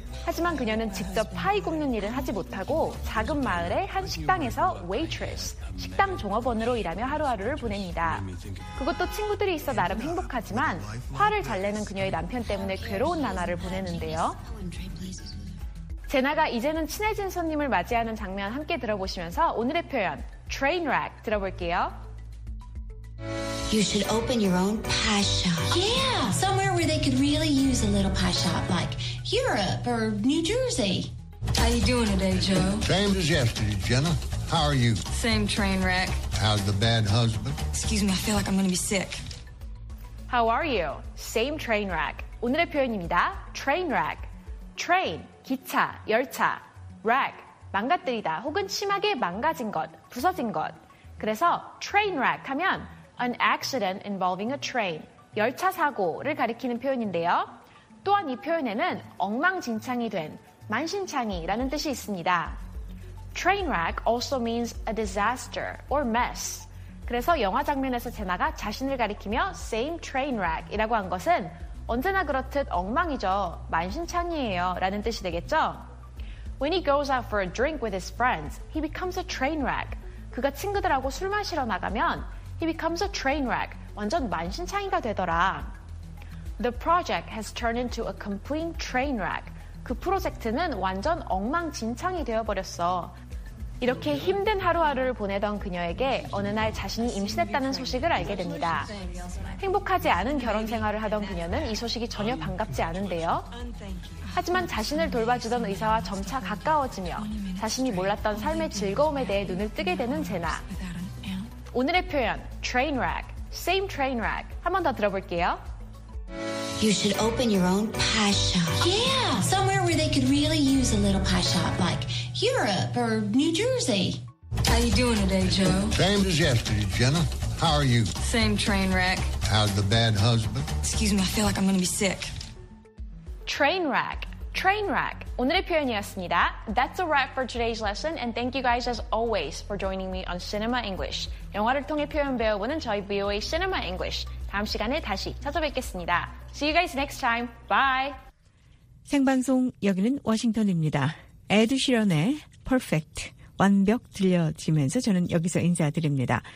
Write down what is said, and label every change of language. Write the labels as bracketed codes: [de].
[ko] 하지만 그녀는 직접 파이 굽는 일을 하지 못하고 작은 마을의 한 식당에서 waitress, 식당 종업원으로 일하며 하루하루를 보냅니다. 그것도 친구들이 있어 나름 행복하지만 화를 잘 내는 그녀의 남편 때문에 괴로운 나날을 보내는데요. 제나가 이제는 친해진 손님을 맞이하는 장면 함께 들어보시면서 오늘의 표현 train wreck 들어볼게요. [en] You should open your own pie shop. Yeah, somewhere where they could really use a little pie shop, like Europe or New Jersey. How you doing today, Joe? Same as yesterday, Jenna. How are you? Same train wreck. How's the bad husband? Excuse me, I feel like I'm going to be sick. How are you? Same train wreck. [ko] 오늘의 표현입니다. [en] Train wreck. [ko] Train, 기차, 열차. Wreck, 망가뜨리다 혹은 심하게 망가진 것, 부서진 것. 그래서 train wreck 하면 [en] an accident involving a train, [ko] 열차 사고를 가리키는 표현인데요. 또한 이 표현에는 엉망진창이 된, 만신창이라는 뜻이 있습니다. [en] Train wreck also means a disaster or mess. [ko] 그래서 영화 장면에서 제나가 자신을 가리키며 same train wreck이라고 한 것은 언제나 그렇듯 엉망이죠, 만신창이에요 라는 뜻이 되겠죠. [en] When he goes out for a drink with his friends, he becomes a train wreck. [ko] 그가 친구들하고 술 마시러 나가면 [en] he becomes a train wreck, [ko] 완전 만신창이가 되더라. [en] The project has turned into a complete train wreck. [ko] 그 프로젝트는 완전 엉망진창이 되어버렸어. 이렇게 힘든 하루하루를 보내던 그녀에게 어느 날 자신이 임신했다는 소식을 알게 됩니다. 행복하지 않은 결혼 생활을 하던 그녀는 이 소식이 전혀 반갑지 않은데요. 하지만 자신을 돌봐주던 의사와 점차 가까워지며 자신이 몰랐던 삶의 즐거움에 대해 눈을 뜨게 되는 제나. 오늘의 표현, [en] train wreck, same train wreck. [ko] 한 번 더 들어볼게요. [en] You should open your own pie shop. Yeah, somewhere where they could really use a little pie shop, like Europe or New Jersey. How you doing today, Joe? Same as yesterday, Jenna. How are you? Same train wreck. How's the bad husband? Excuse me, I feel like I'm going to be sick. Train wreck. Train wreck. [ko] 오늘의 표현이었습니다. [en] That's a wrap for today's lesson, and thank you guys as always for joining me on Cinema English. [ko] 영화를 통해 표현 배워보는 저희 VOA Cinema English. 다음 시간에 다시 찾아뵙겠습니다. [en] See you guys next time. Bye. [ko] 생방송 여기는 워싱턴입니다. 에드 시런의 Perfect, 완벽 들려지면서 저는 여기서 인사드립니다.